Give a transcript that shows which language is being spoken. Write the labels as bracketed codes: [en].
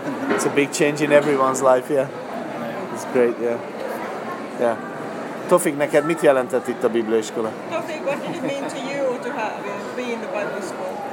[en] that's a big change in everyone's life, yeah. It's great, yeah. Yeah. [hu] Tofik, neked mit jelentett itt a bibliaiskola? [en] Tofik, what did it mean to you to be in the Bible school?